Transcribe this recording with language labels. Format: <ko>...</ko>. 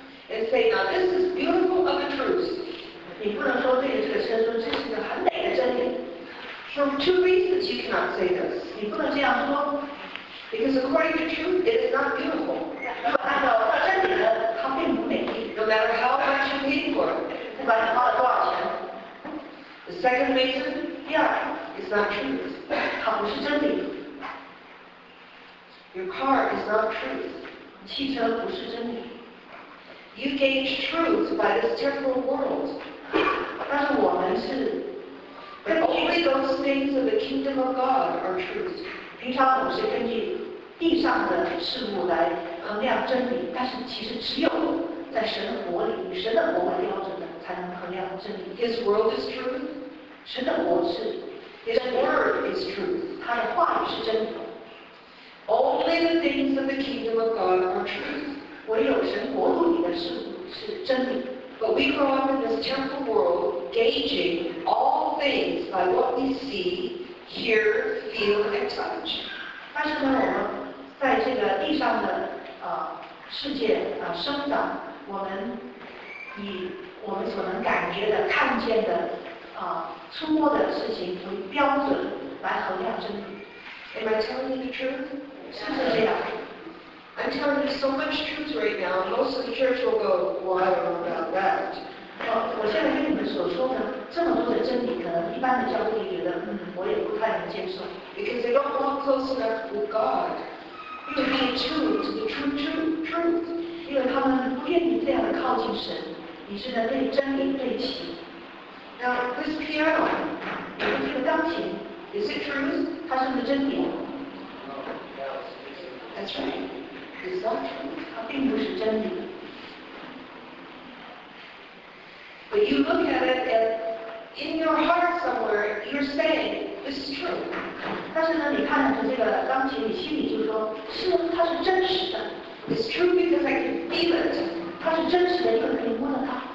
<en>，and say, "Now this is beautiful of the truth."</en> <zh>你不能说对于这个车说这是一个很美的真理。</zh> <en>For two reasons you cannot say this.</en> <zh>你不能这样说。</zh> <en>Because according to truth, it is not beautiful.</en> <zh>按照真理呢，它并不美丽。</zh> <en>No matter how much you paid for</en> <zh>it. 不管你花了多少钱。</zh> <en>The second reason,</en> <zh>第二</zh> <en>is not truth.</en> <zh>它不是真理。</zh> <en>Your car is not truth.</en> <zh>汽车不是真理。</zh> <en>You gauge truth by this temporal world.</en> <zh>但是我们是</zh> <en>But only those things of the kingdom of God are truth.</en> <zh>平常我们是根据地上的事物来衡量真理，但是其实只有在神的国里，以神的国为标准的，才能衡量真理。</zh> <en>His world is truth.</en> <zh>神的国是</zh> <en>His word is truth.</en> <zh>他的话语是真理。</zh> <en>Only the things of the kingdom of God are truth.</en> <zh>唯有神国度里的事物是真理。</zh> <en>But we grow up in this temporal world, gauging all things by what we see, hear, feel, and touch.</en> <zh>但是呢，我们在这个地上的世界生长，我们以我们所能感觉的、看见的触摸的事情为标准来衡量真理。</zh> <en>Am I telling you the truth?</en> <zh>是不是这样？</zh> <en>I'm telling you so much truth right now, most of the church will go, "Well, I don't know about that."</en> <zh>我现在跟你们所说的这么多的真理，可能一般的教会觉得，我也不太能接受。</zh> <en>Because they don't walk close enough with God to be true to the truth.</en> <zh>因为他们不愿意这样的靠近神，以致呢对真理对齐。</zh> <en>Now this piano,</en> <zh>这个钢琴</zh> <en>is it truth?</en> <zh>它是不是真理</zh> <en>？That's right. It's not true.</en> <zh>它并不是真理。</zh> <en>But you look at it, and in your heart somewhere, you're saying this is true.</en> <zh>但是呢，你看着这个钢琴，你心里就说，是，它是真实的。</zh> <en>It's true because I can feel it.</en> <zh>它是真实的，因为可以摸得到。</zh>